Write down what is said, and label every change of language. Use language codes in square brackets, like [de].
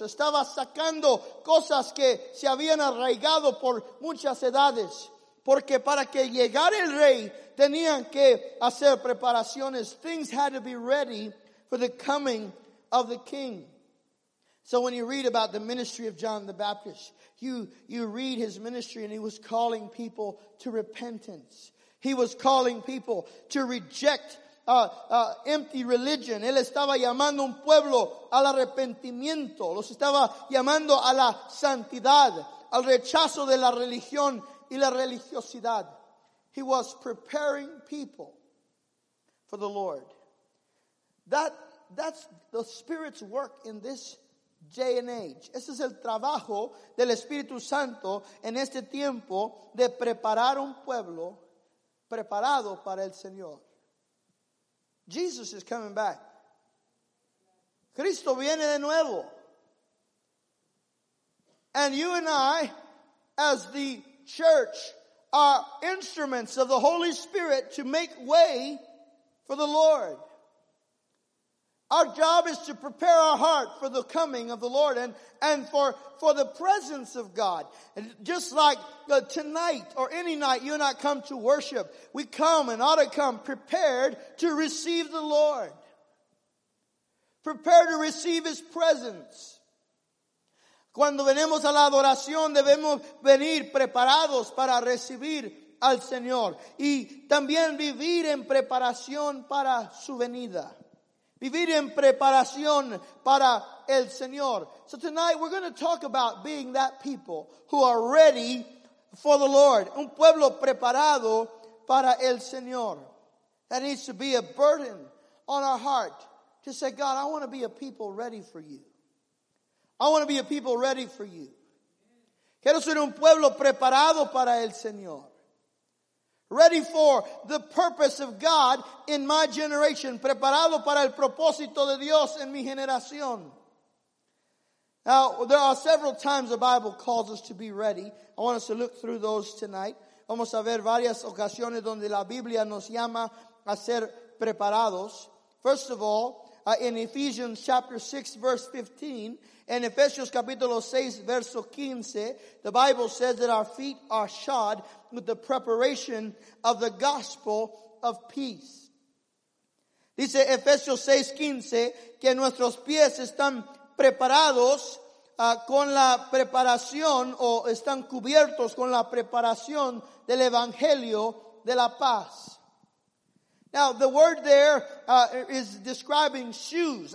[es] Estaba sacando cosas que se habían arraigado por muchas edades. Porque para que llegara el rey, tenían que hacer preparaciones. [en] Things had to be ready for the coming of the king. So when you read about the ministry of John the Baptist, you read his ministry and he was calling people to repentance. He was calling people to reject empty religion. [es] Él estaba llamando un pueblo al arrepentimiento. Los estaba llamando a la santidad, al rechazo de la religión y la religiosidad. [en] He was preparing people for the Lord. That's the Spirit's work in this day and age. [es] Ese es el trabajo del Espíritu Santo en este tiempo de preparar un pueblo preparado para el Señor. [en] Jesus is coming back. [es] Cristo viene de nuevo. [en] And you and I, as the church, are instruments of the Holy Spirit to make way for the Lord. Our job is to prepare our heart for the coming of the Lord and for the presence of God. And just like tonight or any night you and I come to worship, we come and ought to come prepared to receive the Lord. Prepare to receive His presence. [es] Cuando venimos a la adoración, debemos venir preparados para recibir al Señor. Y también vivir en preparación para su venida. Vivir en preparación para el Señor. [en] So tonight we're going to talk about being that people who are ready for the Lord. [es] Un pueblo preparado para el Señor. [en] That needs to be a burden on our heart to say, God, I want to be a people ready for you. I want to be a people ready for you. [es] Quiero ser un pueblo preparado para el Señor. [en] Ready for the purpose of God in my generation. [es] Preparado para el propósito de Dios en mi generación. [en] Now, there are several times the Bible calls us to be ready. I want us to look through those tonight. [es] Vamos a ver varias ocasiones donde la Biblia nos llama a ser preparados. [en] First of all, in Ephesians chapter 6, verse 15, in Ephesians [es] capítulo 6, verso 15, [en] the Bible says that our feet are shod with the preparation of the gospel of peace. [es] Dice Ephesians 6, 15, que nuestros pies están preparados con la preparación o están cubiertos con la preparación del evangelio de la paz. [en] Now, the word there is describing shoes.